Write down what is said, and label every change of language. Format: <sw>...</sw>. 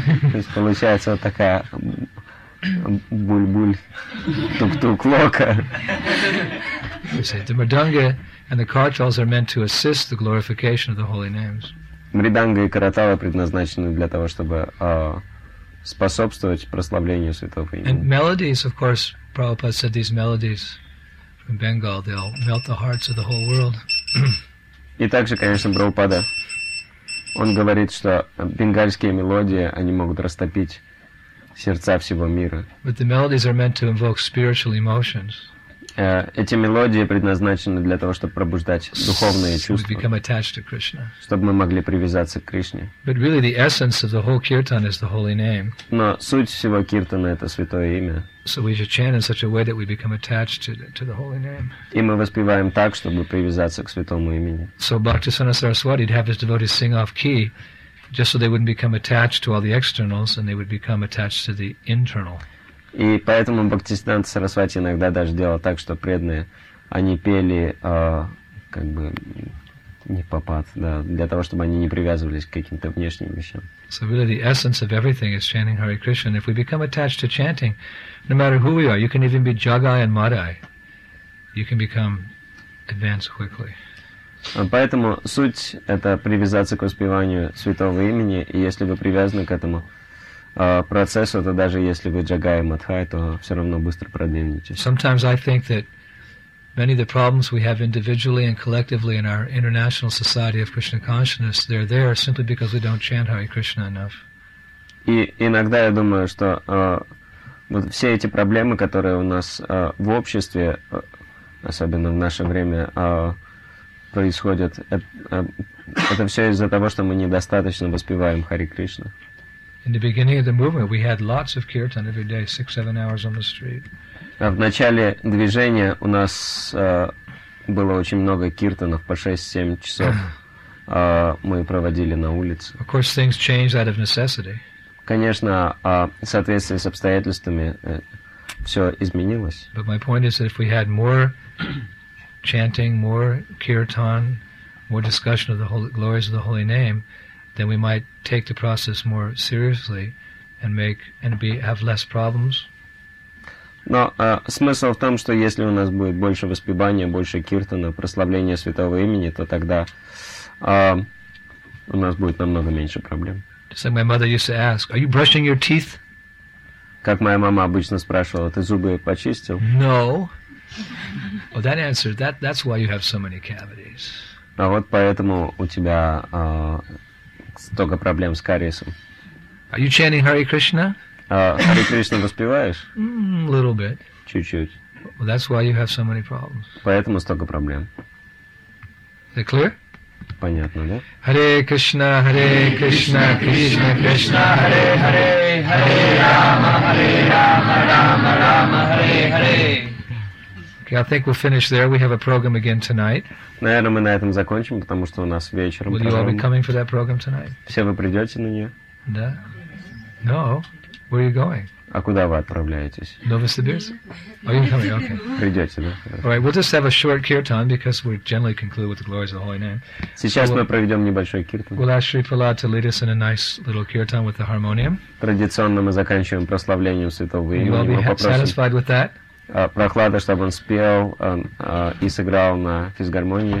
<ru>То есть получается вот такая буль-буль тук-тук лока.</ru> <en>The mridanga and the kartals are meant to assist the glorification of the holy names.</en> <ru>Мриданга и каратала предназначены для того, чтобы способствовать прославлению святого имени.</ru> <en>And melodies, of course, Prabhupada said these melodies from Bengal, they'll melt the hearts of the whole world.</en> <ru>И также, конечно, Прабхупада, он говорит, что бенгальские мелодии, они могут растопить сердца всего мира.</ru> <en>But the melodies are meant to invoke spiritual emotions.</en> <ru>Эти мелодии предназначены для того, чтобы пробуждать духовные чувства,</ru> <en>become attached to Krishna.</en> <ru>Чтобы мы могли привязаться к Кришне.</ru> <en>But really the essence of the whole kirtan is the holy name.</en> <ru>Но суть всего киртана — это святое имя.</ru> <en>So we should chant in such a way that we become attached to the holy name.</en> <ru>И мы воспеваем так, чтобы привязаться к святому имени.</ru> <en>So Bhaktisiddhanta Saraswati would have his devotees sing off key, just so they wouldn't become attached to all the externals and they would become attached to the internal.</en> <ru>И поэтому Бхактисиддханта Сарасвати иногда даже делал так, что преданные, они пели как бы не попад, да, для того, чтобы они не привязывались к каким-то внешним вещам.</ru> <en>So really the essence of everything is chanting Hare Krishna. If we become attached to chanting, no matter who we are, you can even be Jagai and Madai, you can become advanced quickly.</en> <ru>Поэтому суть — это привязаться к успеванию святого имени, и если вы привязаны к этому процессу, то даже если вы Джагай и Мадхай, то все равно быстро продвинетесь.</ru> <en>Sometimes I think that many of the problems we have individually and collectively in our international society of Krishna consciousness, they're there simply because we don't chant Hare Krishna enough.</en> <ru>И иногда я думаю, что вот все эти проблемы, которые у нас в обществе, особенно в наше время, происходят, это все из-за того, что мы недостаточно воспеваем Хари Кришна.</ru> <en>In the beginning of the movement, we had lots of kirtan every day, 6-7 hours on the street.</en> <ru>В начале движения у нас было очень много киртанов по 6-7 часов. Мы проводили на улице.</ru> <en>Of course, things changed out of necessity.</en> <ru>Конечно, в соответствии с обстоятельствами все изменилось.</ru> <en>But my point is that if we had more chanting, more kirtan, more discussion of the holy, glories of the holy name, then we might take the process more seriously and make and be have less problems.</en> <ru>Но смысл в том, что если у нас будет больше воспевания, больше киртана, прославления святого имени, то тогда у нас будет намного меньше проблем.</ru> <en>So my mother used to ask, "Are you brushing your teeth?"</en> <ru>Как моя мама обычно спрашивала, ты зубы почистил?</ru> <en>No. Oh, that answer, that's why you have so many cavities.</en> <ru>А вот поэтому у тебя столько проблем с кариесом.</ru> <en>Are you chanting Hare Krishna?</en> <ru>Hare Krishna воспеваешь?</ru> <en>A little bit.</en> <ru>Чуть-чуть.</ru> <en>Well, that's why you have so many problems.</en> <ru>Поэтому столько проблем.</ru> <en>Is that clear?</en> <ru>Понятно, да?</ru> <sa>Hare Krishna, Hare Krishna, Krishna Krishna, Hare Hare, Hare Rama, Hare Rama, Rama Rama, Hare Hare.</sa> <en>Okay, I think we'll finish there. We have a program again tonight.</en> <ru>Наверное, мы на этом закончим, потому что у нас вечером.</ru> <en>Will you all be coming for that program tonight?</en> <ru>Все вы придете на нее? Да.</ru> <en>No. Where are you going?</en> <ru>А куда вы отправляетесь?</ru> <en>Новосибирск? Are you coming? Okay.</en> <ru>Придете, да?</ru> <en>All right, we'll just have a short kirtan because we generally conclude with the glories of the holy name.</en> <ru>Сейчас мы проведем небольшой киртан.</ru> <en>We'll ask Sri Prahlad to lead us in a nice little kirtan with the harmonium.</en> <ru>Традиционно мы заканчиваем прославлением святого имени.</ru> <en>Will you be satisfied with that?</en> <ru>Прохлада, чтобы он спел и сыграл на физгармонии.</ru>